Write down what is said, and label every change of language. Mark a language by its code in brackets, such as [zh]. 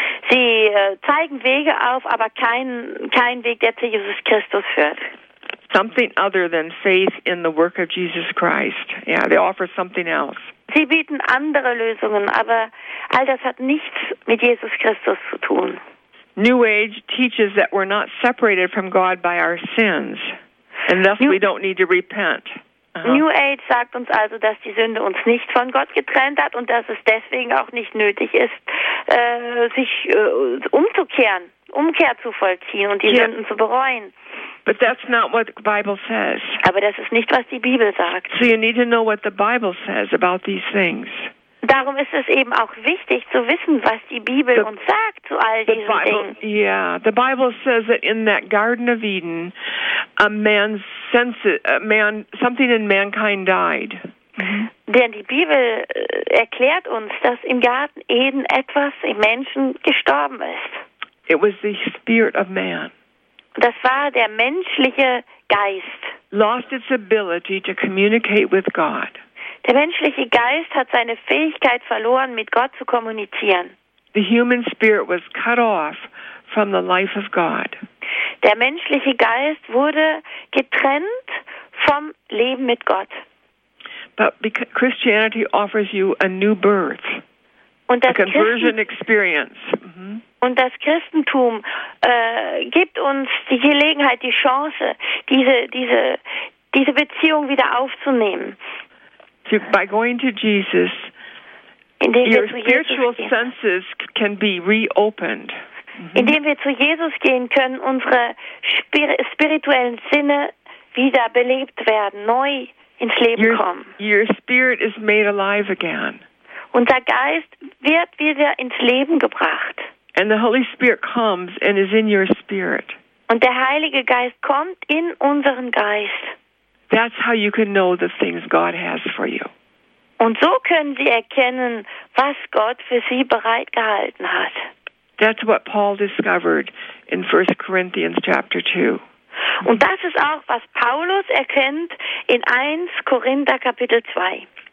[de] Sie zeigen Wege auf, aber kein Weg, der zu Jesus Christus führt. [en] Something other than faith in the work of Jesus Christ. Yeah, they offer something else. [de] Sie bieten andere Lösungen, aber all das hat nichts mit Jesus Christus zu tun. [en] New Age teaches that we're not separated from God by our sins, and thus we don't need to repent. [de] New Age sagt uns also, dass die Sünde uns nicht von Gott getrennt hat und dass es deswegen auch nicht nötig ist, sich umzukehren, Umkehr zu vollziehen und die yeah. Sünden zu bereuen. [en] But that's not what the Bible says. [de] Aber das ist nicht, was die Bibel sagt. [en] So you need to know what the Bible says about these things. [de] Darum ist es eben auch wichtig zu wissen, was die Bibel uns sagt zu all diesen Dingen. [en] Yeah, the Bible says that in that Garden of Eden, something in mankind died. [de] Denn die Bibel erklärt uns, dass im Garten Eden etwas im Menschen gestorben ist. [en] It was the spirit of man. [de] Das war der menschliche Geist. [en] Lost its ability to communicate with God. [de] Der menschliche Geist hat seine Fähigkeit verloren, mit Gott zu kommunizieren. [en] The human spirit was cut off from the life of God. [de] Der menschliche Geist wurde getrennt vom Leben mit Gott. [en] But Christianity offers you a new birth, a conversion experience. [de] Und das Christentum gibt uns die Gelegenheit, die Chance, diese Beziehung wieder aufzunehmen. [en] By going to Jesus, your spiritual senses can be reopened. [de] Indem wir zu Jesus gehen, können unsere spirituellen Sinne wieder belebt werden, neu ins Leben kommen. [en] Your spirit is made alive again. [de] Unser Geist wird wieder ins Leben gebracht. [en] And the Holy Spirit comes and is in your spirit. [de] Und der Heilige Geist kommt in unseren Geist. [en] That's how you can know the things God has for you. [de] Und so können Sie erkennen, was Gott für Sie bereitgehalten hat. [en] That's what Paul discovered in 1 Corinthians chapter 2. [de] Und das ist auch, was Paulus erkennt in 1 Korinther Kapitel 2.